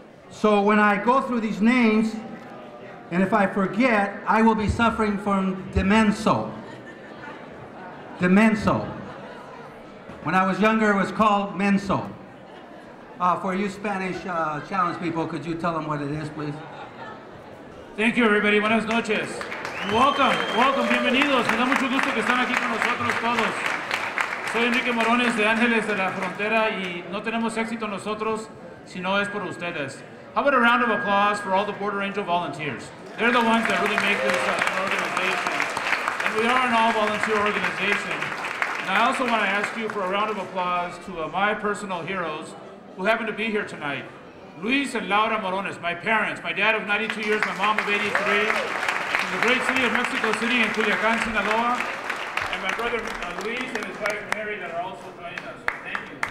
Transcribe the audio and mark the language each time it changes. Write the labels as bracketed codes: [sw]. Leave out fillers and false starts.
[en] So when I go through these names, and if I forget, I will be suffering from demenso. Demenso. When I was younger, it was called menso. For you Spanish challenge people, could you tell them what it is, please? Thank you, everybody. [es] Buenas noches. [en] Welcome. [es] Bienvenidos. Me da mucho gusto que están aquí con nosotros todos. Soy Enrique Morones de Ángeles de la Frontera, y no tenemos éxito nosotros si no es por ustedes. [en] How about a round of applause for all the Border Angel volunteers? They're the ones that really make this an organization. And we are an all-volunteer organization. And I also want to ask you for a round of applause to my personal heroes, who happen to be here tonight. Luis and Laura Morones, my parents, my dad of 92 years, my mom of 83, from the great city of Mexico City in Culiacán, Sinaloa, and my brother Luis and his wife Mary that are also joining us. Thank you.